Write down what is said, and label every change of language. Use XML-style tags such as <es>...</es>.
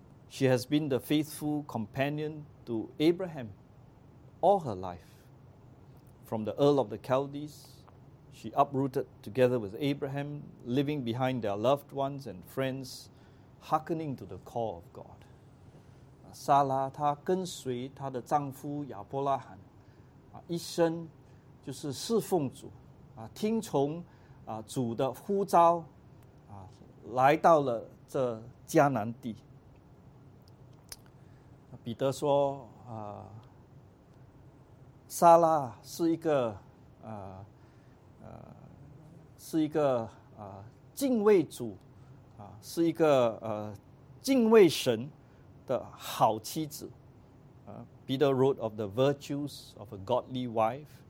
<en>She has been the faithful companion to Abraham all her life. From the Earl of the Chaldees, she uprooted together with Abraham, leaving behind their loved ones and friends, hearkening to the call of God.</en> <zh>Sarah, 她跟随她的丈夫亚伯拉罕，一生就是侍奉主，听从主的呼召，来到了这迦南地。彼得说，撒拉是一个，敬畏主，是一个敬畏神的好妻子。</zh> <en>Peter wrote of the virtues of a godly wife.</en>